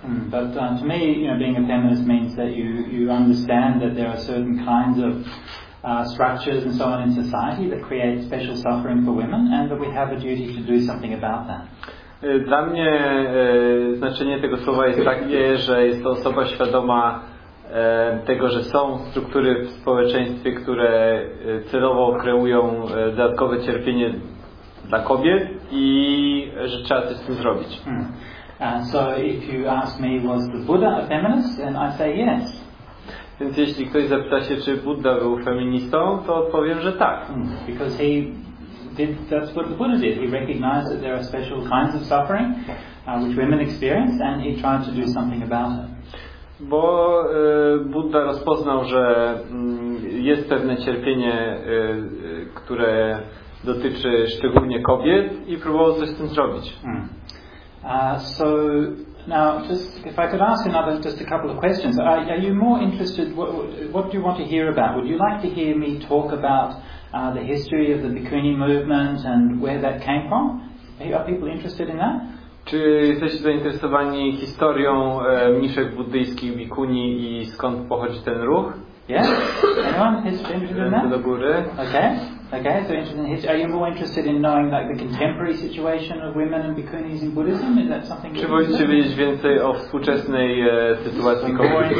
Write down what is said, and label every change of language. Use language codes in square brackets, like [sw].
[en] But to me, you know, being a feminist means that you understand that there are certain kinds of structures and so on in society that create special suffering for women and that we have a duty to do something about that. [pl] Dla mnie znaczenie tego słowa jest takie, że jest to osoba świadoma tego, że są struktury w społeczeństwie, które celowo kreują dodatkowe cierpienie dla kobiet i że trzeba coś z tym zrobić. [en] So if you ask me, was the Buddha a feminist? Then I say yes. [pl] Więc jeśli ktoś zapyta się, czy Buddha był feministą, to odpowiem, że tak. [en] Because he did, that's what the Buddha did. He recognized that there are special kinds of suffering which women experience and he tried to do something about it. [pl] Bo Buddha rozpoznał, że jest pewne cierpienie, które dotyczy szczególnie kobiet i próbował coś z tym zrobić. [en] So now just if I could ask another just a couple of questions. Are you more interested what do you want to hear about? Would you like to hear me talk about the history of the Bhikkhuni movement and where that came from? Are people interested in that? [pl] Czy jesteście zainteresowani historią mniszek buddyjskich Bhikkhuni i skąd pochodzi ten ruch? [en] Yeah? Anyone is interested in that? [pl] Do góry. [en] Okay, so interested in history. Are you more interested in knowing like the contemporary situation of women and bhikkhunis in Buddhism? Is that something? [pl] Czy wolicie wiedzieć więcej o współczesnej sytuacji kobiet?